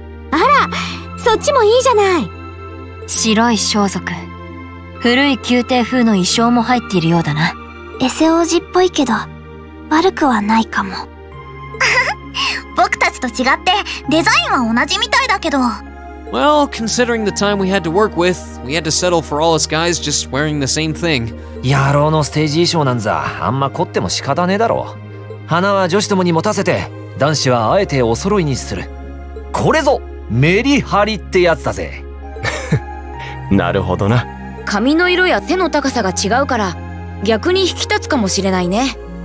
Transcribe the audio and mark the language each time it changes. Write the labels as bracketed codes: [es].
[ja] あら、そっちもいいじゃない。白い装束、古い宮廷風の衣装も入っているようだな。エセ王子っぽいけど悪くはないかも。僕たちと違ってデザインは同じみたいだけど。 [en] Well, considering the time we had to work with, we had to settle for all us guys just wearing the same thing. [ja] 野郎のステージ衣装なんざあんま凝っても仕方ねえだろう。花は女子どもに持たせて、男子はあえてお揃いにする。これぞメリハリってやつだぜ。なるほどな。髪の色や背の高さが違うから逆に引き立つかもしれないね。